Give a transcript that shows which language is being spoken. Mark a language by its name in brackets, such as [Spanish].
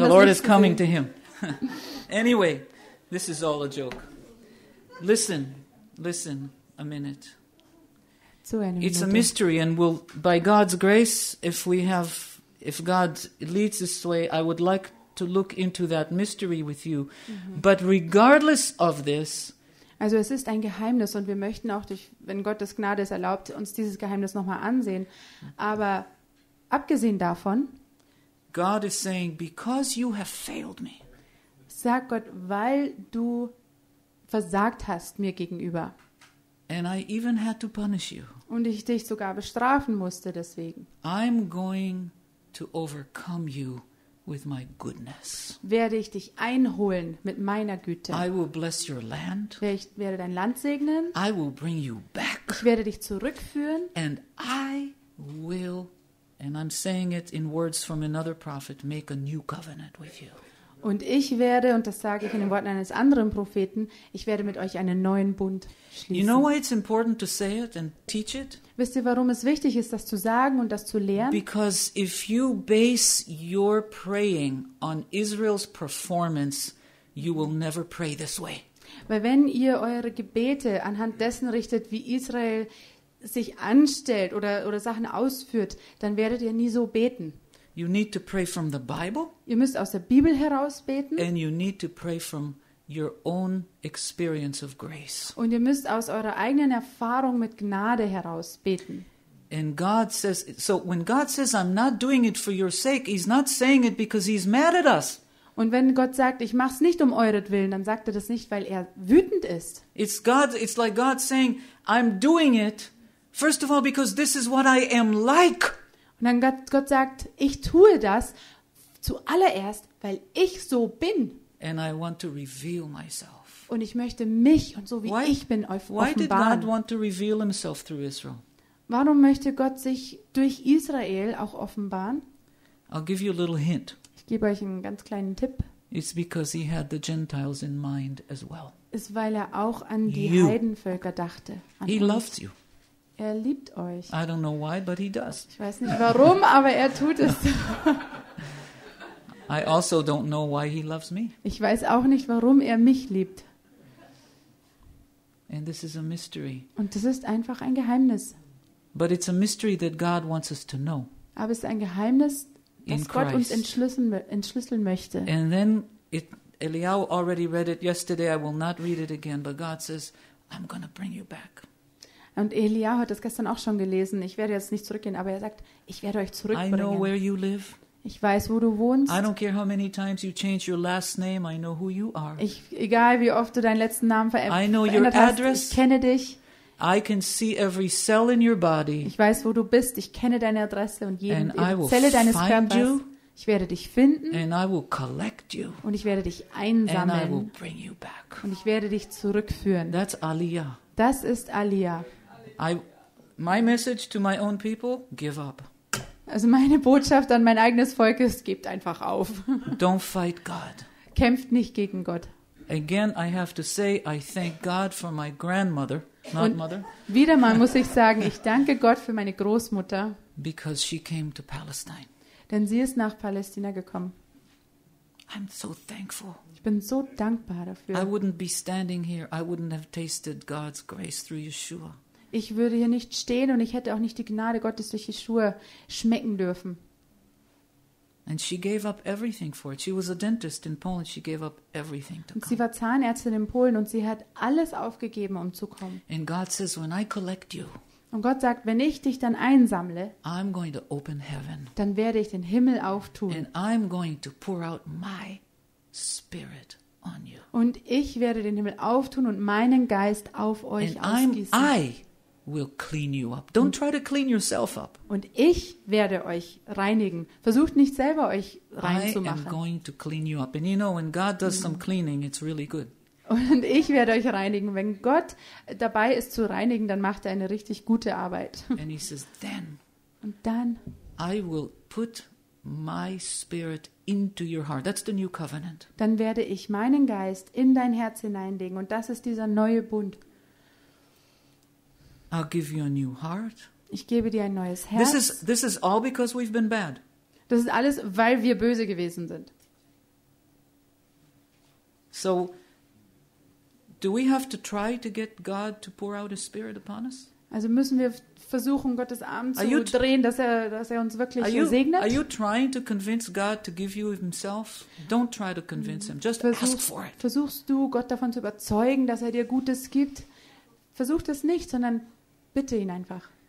[English] the Lord is coming to him. Anyway, this is all a joke. Listen, listen a minute. [German] Zu einer Minute. [English] It's a mystery, and we'll, by God's grace, if God leads this way, I would like to look into that mystery with you. Mm-hmm. But regardless of this, [German] also es ist ein Geheimnis, und wir möchten auch, durch, wenn Gottes Gnade es erlaubt, uns dieses Geheimnis nochmal ansehen. Aber abgesehen davon, [English] God is saying, because you have failed me. [German] Sag Gott, weil du versagt hast mir gegenüber. [English] And I even had to punish you. [German] Und ich dich sogar bestrafen musste deswegen. [English] I'm going to overcome you with my goodness. [German] Werde ich dich einholen mit meiner Güte. [English] I will bless your land. [German] Ich werde dein Land segnen. [English] I will bring you back. [German] Ich werde dich zurückführen. [English] And I will, and I'm saying it in words from another prophet, make a new covenant with you. [German] Und ich werde, und das sage ich in den Worten eines anderen Propheten, ich werde mit euch einen neuen Bund schließen. [English] You know why it's important to say it and teach it? [German] Wisst ihr, warum es wichtig ist, das zu sagen und das zu lehren? [English] Because if you base your praying on Israel's performance, you will never pray this way. [German] Weil wenn ihr eure Gebete anhand dessen richtet, wie Israel sich anstellt oder Sachen ausführt, dann werdet ihr nie so beten. [English] You need to pray from the Bible. [German] Ihr müsst aus der Bibel heraus beten. [English] And you need to pray from your own experience of grace. [German] Und ihr müsst aus eurer eigenen Erfahrung mit Gnade heraus beten. [English] And God says, so when God says, I'm not doing it for your sake, he's not saying it because he's mad at us. [German] Und wenn Gott sagt, ich mach's nicht um euretwillen, dann sagt er das nicht, weil er wütend ist. [English] It's God, it's like God saying, I'm doing it, first of all, because this is what I am like. [German] Und dann Gott sagt, ich tue das zuallererst, weil ich so bin. [English] And I want to reveal myself. [German] Und ich möchte mich und so wie ich bin offenbaren. [English] Why did God want to reveal himself through Israel? [German] Warum möchte Gott sich durch Israel auch offenbaren? [English] I'll give you a little hint. [German] Ich gebe euch einen ganz kleinen Tipp. [English] It's because he had the Gentiles in mind as well. [German] Ist, weil er auch an die [English] you. [German] Heidenvölker dachte. [English] He loves you. [German] Er liebt euch. [English] I don't know why, but he does. [German] Ich weiß nicht warum, aber er tut es. [English] I also don't know why he loves me. [German] Ich weiß auch nicht, warum er mich liebt. [English] And this is a mystery. [German] Und das ist einfach ein Geheimnis. [English] But it's a mystery that God wants us to know. [German] Aber es ist ein Geheimnis, das Gott uns entschlüsseln möchte. [English] And then Eliyahu already read it yesterday. I will not read it again. But God says, I'm going to bring you back. [German] Und Elia hat das gestern auch schon gelesen. Ich werde jetzt nicht zurückgehen, aber er sagt, ich werde euch zurückbringen. [English] I know where you live. [German] Ich weiß, wo du wohnst. [English] I don't care how many times you change your last name, I know who you are. [German] Egal wie oft du deinen letzten Namen verändert hast, [English] I know your address. [German] Ich kenne dich. [English] I can see every cell in your body. [German] Ich weiß, wo du bist. Ich kenne deine Adresse und jede Zelle deines Körpers. Ich werde dich finden. [English] And I will collect you. [German] Und ich werde dich einsammeln. [English] And I will bring you back. [German] Und ich werde dich zurückführen. [English] That's Aliyah. [German] Das ist Aliyah. [English] My message to my own people, give up. [German] Also meine Botschaft an mein eigenes Volk ist, gebt einfach auf. [English] Don't fight God. [German] Kämpft nicht gegen Gott. [English] Again, I have to say, I thank God for my grandmother, not [German] Und [English] mother. [German] Wieder mal muss ich sagen, ich danke Gott für meine Großmutter. [English] Because she came to Palestine. [German] Denn sie ist nach Palästina gekommen. [English] I'm so thankful. [German] Ich bin so dankbar dafür. [English] I wouldn't be standing here. I wouldn't have tasted God's grace through Yeshua. [German] Ich würde hier nicht stehen und ich hätte auch nicht die Gnade Gottes durch Yeshua schmecken dürfen. [English] And she gave up everything for it. She was a dentist in Poland. She gave up everything to come. [German] Und sie war Zahnärztin in Polen und sie hat alles aufgegeben, um zu kommen. [English] And God says, when I collect you, [German] und Gott sagt, wenn ich dich dann einsammle, [English] I'm going to open heaven, [German] dann werde ich den Himmel auftun. [English] And I'm going to pour out my spirit on you. [German] Und ich werde den Himmel auftun und meinen Geist auf euch [English] and [German] ausgießen. [English] Will clean you up. Don't try to clean yourself up. [German] Und ich werde euch reinigen. Versucht nicht selber euch reinzumachen. [English] I am going to clean you up. And you know, when God does some cleaning, it's really good. [German] Und ich werde euch reinigen. Wenn Gott dabei ist zu reinigen, dann macht er eine richtig gute Arbeit. [English] And he says, then. [German] Und dann. [English] I will put my spirit into your heart. That's the new covenant. [German] Dann werde ich meinen Geist in dein Herz hineinlegen. Und das ist dieser neue Bund. [English] I'll give you a new heart. [German] Ich gebe dir ein neues Herz. [English] This is all because we've been bad. [German] Das ist alles, weil wir böse gewesen sind. [English] So, do we have to try to get God to pour out His Spirit upon us? [German] Also müssen wir versuchen, Gottes Arm zu drehen, dass er uns wirklich segnet? [English] Are you trying to convince God to give you Himself? Don't try to convince Him. Just ask for it. [German] Versuchst du, Gott davon zu überzeugen, dass er dir Gutes gibt? Versuch das nicht, sondern bitte ihn einfach.